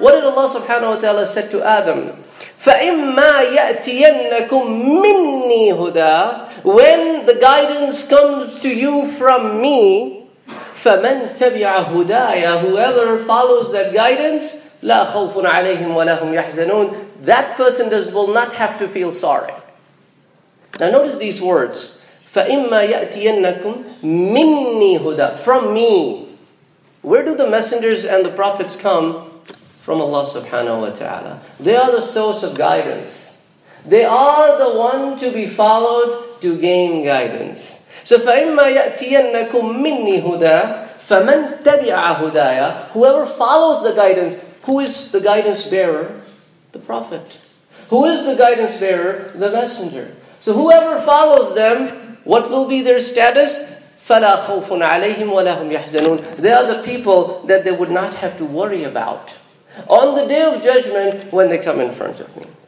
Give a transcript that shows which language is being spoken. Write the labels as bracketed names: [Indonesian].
[English] What did Allah subhanahu wa ta'ala said to Adam? [Arabic] فَإِمَّا يَأْتِيَنَّكُمْ مِنِّي هُدَى, [English] when the guidance comes to you from me, [Arabic] فَمَنْ تَبِعَ هُدَايَ, [English] whoever follows that guidance, [Arabic] لَا خَوْفٌ عَلَيْهِمْ وَلَا هُمْ يَحْزَنُونَ, [English] that person will not have to feel sorry. Now notice these words. [Arabic] فَإِمَّا يَأْتِيَنَّكُمْ مِنِّي هُدَى, [English] from me. Where do the messengers and the prophets come? From Allah subhanahu wa ta'ala. They are the source of guidance. They are the one to be followed to gain guidance. [Arabic] So فَإِمَّا يَأْتِيَنَّكُمْ مِنِّي هُدَى فَمَنْ تَبِعَ هُدَايَ, [English] whoever follows the guidance. Who is the guidance bearer? The Prophet. Who is the guidance bearer? The messenger. So whoever follows them, what will be their status? [Arabic] فَلَا خَوْفٌ عَلَيْهِمْ وَلَا هُمْ يَحْزَنُونَ, [English] they are the people that they would not have to worry about on the day of judgment when they come in front of me.